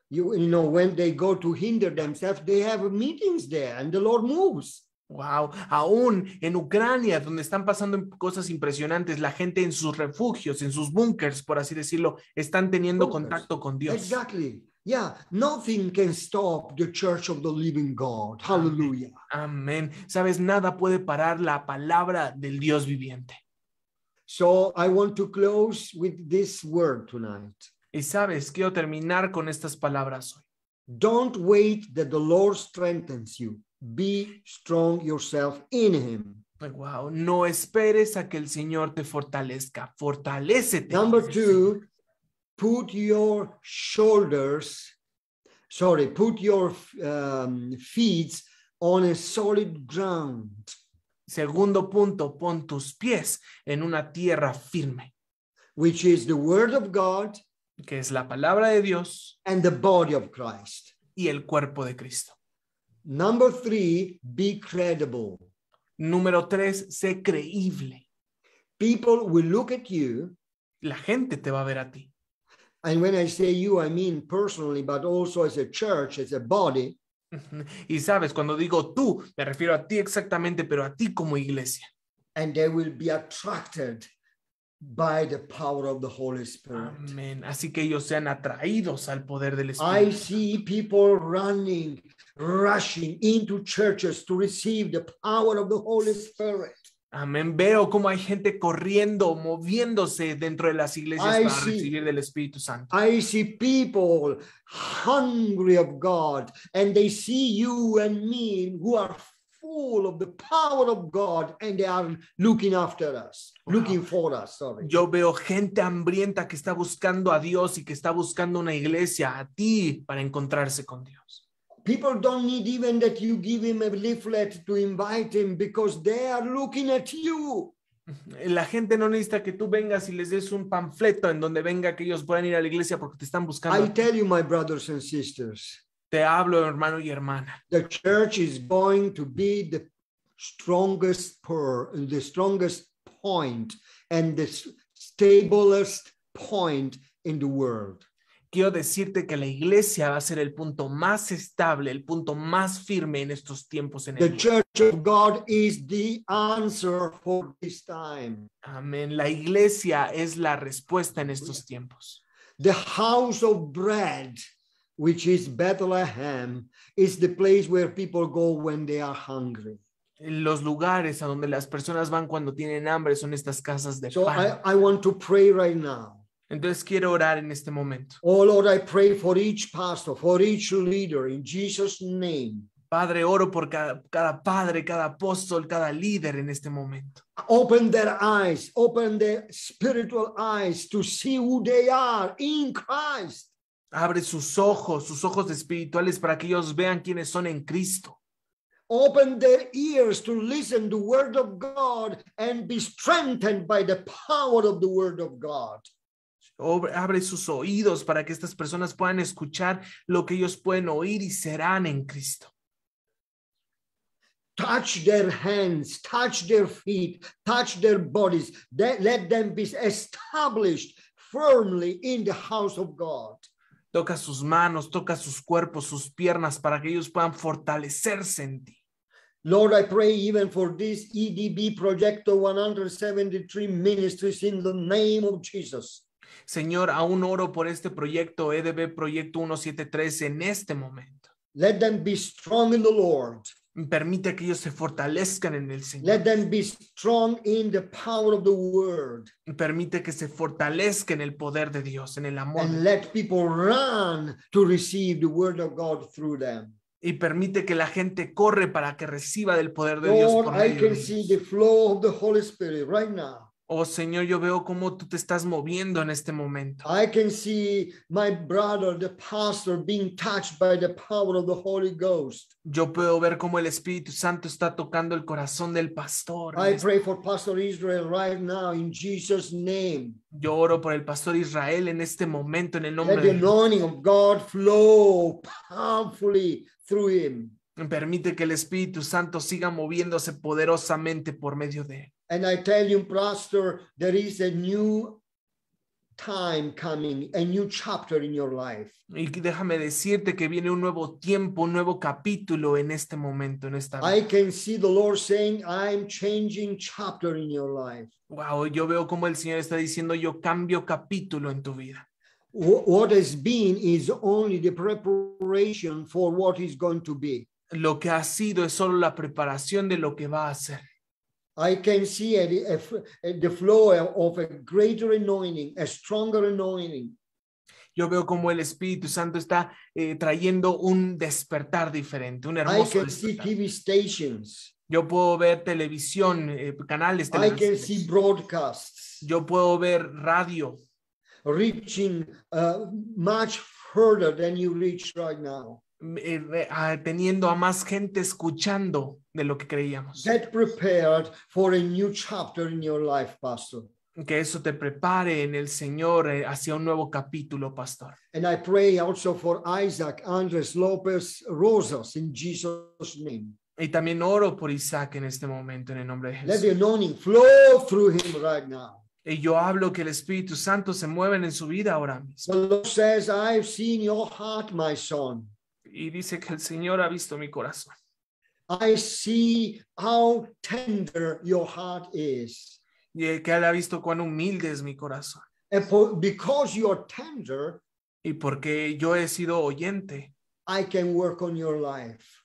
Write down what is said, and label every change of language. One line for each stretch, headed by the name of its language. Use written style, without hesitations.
English: You know, when they go to hinder themselves, they have meetings there and the Lord moves.
Spanish: Wow, aún en Ucrania, donde están pasando cosas impresionantes, la gente en sus refugios, en sus bunkers, por así decirlo, están teniendo bunkers. Contacto con Dios.
English: Exactly. Yeah, nothing can stop the church of the living God. Hallelujah.
Spanish: Amén. Sabes, nada puede parar la palabra del Dios viviente.
English: So I want to close with this word tonight.
Spanish: Y sabes, quiero terminar con estas palabras hoy.
English: Don't wait that the Lord strengthens you. Be strong yourself in him.
Spanish: Wow, no esperes a que el Señor te fortalezca. Fortalécete.
English: Number two, put your feet on a solid ground.
Spanish: Segundo punto, pon tus pies en una tierra firme.
English: Which is the word of God.
Spanish: Que es la palabra de Dios.
English: And the body of Christ.
Spanish: Y el cuerpo de Cristo.
English: Number three, be credible.
Spanish: Número tres, sé creíble.
English: People will look at you.
Spanish: La gente te va a ver a ti.
English: And when I say you, I mean personally, but also as a church, as a body.
Spanish: Y sabes, cuando digo tú, me refiero a ti exactamente, pero a ti como iglesia.
English: And they will be attracted by the power of the Holy Spirit. Amen.
Spanish: Así que ellos sean atraídos al poder del Espíritu.
English: I see people rushing into churches to receive the power of the Holy Spirit.
Spanish: Amén. Veo cómo hay gente corriendo, moviéndose dentro de las iglesias para recibir del Espíritu Santo.
English: I see people hungry of God, and they see you and me who are full of the power of God, and they are looking after us, looking for us. Sorry.
Spanish: Yo veo gente hambrienta que está buscando a Dios y que está buscando una iglesia a ti para encontrarse con Dios.
English: People don't need even that you give him a leaflet to invite him because they are looking at you.
Spanish: La gente no necesita que tú vengas y les des un panfleto en donde venga que ellos puedan ir a la iglesia porque te están buscando.
English: I tell you, my brothers and sisters.
Spanish: Te hablo, hermano y hermana.
English: The church is going to be the strongest the strongest point and the stablest point in the world.
Spanish: Quiero decirte que la iglesia va a ser el punto más estable, el punto más firme en estos tiempos.
English: The Church of God is the answer for this time.
Spanish: Amén. La iglesia es la respuesta en estos tiempos.
English: The house of bread, which is Bethlehem, is the place where people go when they are hungry.
Spanish: Los lugares a donde las personas van cuando tienen hambre son estas casas de pan.
English: So I want to pray right now.
Spanish: Entonces quiero orar en este momento.
English: Oh Lord, I pray for each pastor, for each leader in Jesus' name.
Spanish: Padre, oro por cada padre, cada apóstol, cada líder en este momento.
English: Open their eyes, open their spiritual eyes to see who they are in Christ.
Spanish: Abre sus ojos espirituales para que ellos vean quiénes son en Cristo.
English: Open their ears to listen to the word of God and be strengthened by the power of the word of God.
Spanish: Abre sus oídos para que estas personas puedan escuchar lo que ellos pueden oír y serán en Cristo.
English: Touch their hands, touch their feet, touch their bodies. Let them be established firmly in the house of God.
Spanish: Toca sus manos, toca sus cuerpos, sus piernas para que ellos puedan fortalecerse en ti.
English: Lord, I pray even for this EDB Proyecto 173 ministries in the name of Jesus.
Spanish: Señor, aún oro por este proyecto, EDB Proyecto 173, en este momento.
English: Let them be strong in the Lord.
Spanish: Permite que ellos se fortalezcan en el Señor.
English: Let them be strong in the power of the word.
Spanish: Permite que se fortalezca en el poder de Dios, en el amor.
English: And let people run to receive the word of God through them.
Spanish: Y permite que la gente corre para que reciba del poder de
English: Lord,
Spanish: Dios por medio de ellos.
English: I can see the flow of the Holy Spirit right now.
Spanish: Oh Señor, yo veo cómo tú te estás moviendo en este momento.
English: I can see my brother, the pastor, being touched by the power of the Holy Ghost.
Spanish: Yo puedo ver cómo el Espíritu Santo está tocando el corazón del pastor.
English: I pray for Pastor Israel right now in Jesus' name.
Spanish: Yo oro por el Pastor Israel en este momento en el nombre de
English: Dios. Let the anointing of God flow powerfully through him.
Spanish: Permite que el Espíritu Santo siga moviéndose poderosamente por medio de él.
English: And I tell you, Pastor, there is a new time coming, a new chapter in your life.
Spanish: Y déjame decirte que viene un nuevo tiempo, un nuevo capítulo en este momento, en esta vida.
English: I can see the Lord saying, I'm changing chapter in your life.
Spanish: Wow, yo veo como el Señor está diciendo, yo cambio capítulo en tu vida.
English: What has been is only the preparation for what is going to be.
Spanish: Lo que ha sido es solo la preparación de lo que va a ser.
English: I can see the flow of a greater anointing, a stronger anointing.
Spanish: Yo veo como el Espíritu Santo está trayendo un despertar diferente, un hermoso despertar.
English: I can see TV stations.
Spanish: Yo puedo ver televisión, canales.
English: I can see broadcasts.
Spanish: Yo puedo ver radio.
English: Reaching much further than you reach right now.
Spanish: Teniendo a más gente escuchando de lo que creíamos.
English: Get prepared for a new chapter in your life, Pastor.
Spanish: Que eso te prepare en el Señor hacia un nuevo capítulo, Pastor.
English: And I pray also for Isaac, Andres, López, Rosas, in Jesus' name.
Spanish: Y también oro por Isaac en este momento, en el nombre de Jesús.
English: Let the anointing flow through him right now.
Spanish: Y yo hablo que el Espíritu Santo se mueve en su vida ahora mismo.
English: The Lord says, I've seen your heart, my son.
Spanish: Y dice que el Señor ha visto mi corazón.
English: I see how tender your heart is.
Spanish: Y que él ha visto cuán humilde es mi corazón.
English: And for, because you are tender,
Spanish: y porque yo he sido oyente,
English: I can work on your life.